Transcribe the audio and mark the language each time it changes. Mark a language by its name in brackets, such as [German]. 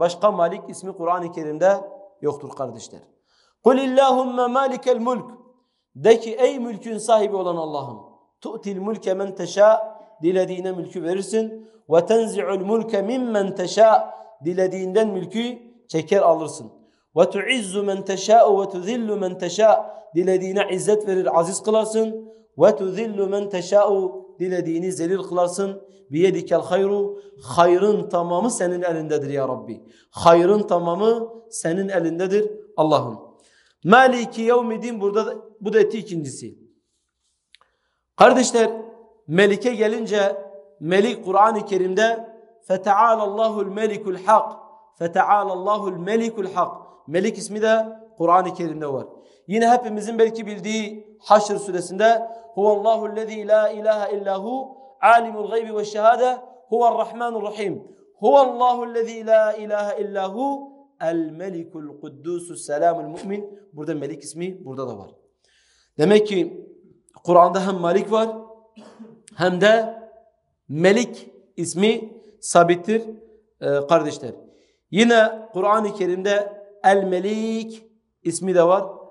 [Turkish] Başka Malik ismi Kur'an-ı Kerim'de yoktur kardeşler. [Arabic] قُلِ اللّٰهُمَّ مَالِكَ الْمُلْكِ. [Turkish] De ki ey mülkün sahibi olan Allah'ım, [Arabic] تُؤْتِ الْمُلْكَ مَنْ تَشَاءُ, [Turkish] dilediğine mülkü verirsin. [Arabic] وَتَنْزِعُ الْمُلْكَ مِمَّنْ تَشَاءُ, [Turkish] dilediğinden mülkü çeker alırsın. [Arabic] وَتُعِزُّ مَنْ تَشَاءُ وَتُذِلُّ مَنْ تَشَاءُ, [Turkish] dilediğine izzet verir, aziz kılarsın. [Arabic] وَتُذِلُّ مَنْ تَشَاءُ, [Turkish] dilediğini zelil kılarsın. [Arabic] بِيَدِكَ الْخَيْرُ, [Turkish] hayrın tamamı senin elindedir ya Rabbi. Hayrın tamamı senin elindedir Allah'ım. Maliki Yevmiddin, burada da, bu da etti ikincisi. Kardeşler, Melik'e gelince, Melik Kur'an-ı Kerim'de [Arabic] فَتَعَالَ اللّٰهُ الْمَلِكُ الْحَقِّ, فَتَعَالَ اللّٰهُ الْمَلِكُ الْحَقِّ. [Turkish] Melik ismi de Kur'an-ı Kerim'de var. Yine hepimizin belki bildiği Haşr suresinde [Arabic] هُوَ اللّٰهُ الَّذ۪ي لَا اِلَٰهَ اِلَّا هُوَ عَالِمُ الْغَيْبِ وَالشَّهَادَةِ هُوَ الرَّحْمَنُ الرَّحِيمُ هُوَ اللّٰهُ الَّذ۪ي لَا اِلَٰهَ اِلَّا هُوَ الْمَلِكُ الْقُدُّسُ السَّلَامُ الْمُؤْمِنُ. [Turkish] Burada Melik ismi burada da var. Demek ki Kur'an'da hem Malik var, hem de Melik ismi sabittir kardeşler. Yine Kur'an-ı Kerim'de El-Melik ismi de var.